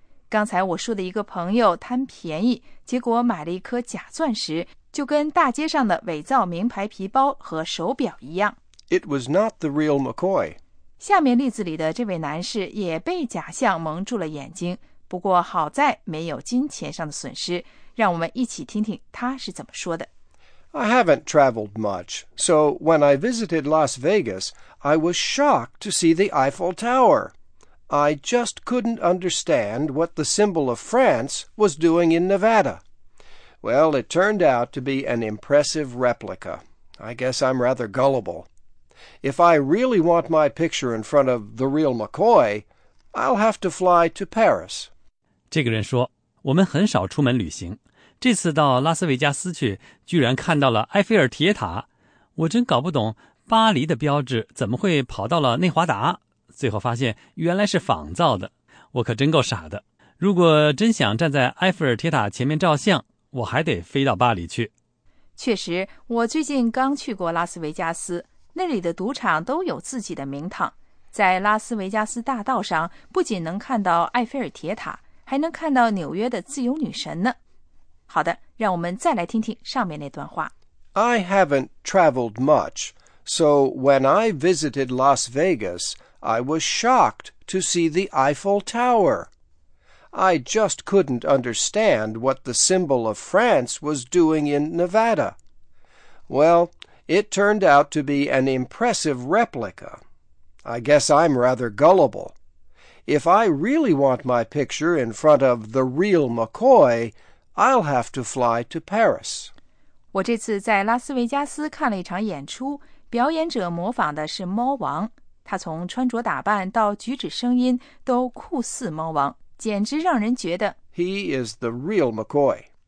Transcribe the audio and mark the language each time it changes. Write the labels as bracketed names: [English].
[Chinese] 刚才我说的一个朋友贪便宜，结果买了一颗假钻石，就跟大街上的伪造名牌皮包和手表一样。 [English] It was not the real McCoy. [Chinese] 下面例子里的这位男士也被假象蒙住了眼睛，不过好在没有金钱上的损失。让我们一起听听他是怎么说的。 [English] I haven't traveled much, so when I visited Las Vegas, I was shocked to see the Eiffel Tower. I just couldn't understand what the symbol of France was doing in Nevada. Well, it turned out to be an impressive replica. I guess I'm rather gullible. If I really want my picture in front of the real McCoy, I'll have to fly to Paris. [Chinese] 这个人说，我们很少出门旅行，这次到拉斯维加斯去，居然看到了埃菲尔铁塔。我真搞不懂巴黎的标志怎么会跑到了内华达，最后发现原来是仿造的。我可真够傻的。如果真想站在埃菲尔铁塔前面照相，我还得飞到巴黎去。确实，我最近刚去过拉斯维加斯。那里的赌场都有自己的名堂，在拉斯维加斯大道上不仅能看到埃菲尔铁塔，还能看到纽约的自由女神呢。好的，让我们再来听听上面那段话。 [English] I haven't traveled much, so when I visited Las Vegas, I was shocked to see the Eiffel Tower. I just couldn't understand what the symbol of France was doing in Nevada. Well, it turned out to be an impressive replica. I guess I'm rather gullible. If I really want my picture in front of the real McCoy, I'll have to fly to Paris. [Chinese] 我这次在拉斯维加斯看了一场演出，表演者模仿的是猫王。他从穿着打扮到举止声音都酷似猫王，简直让人觉得 [English] He is the real McCoy.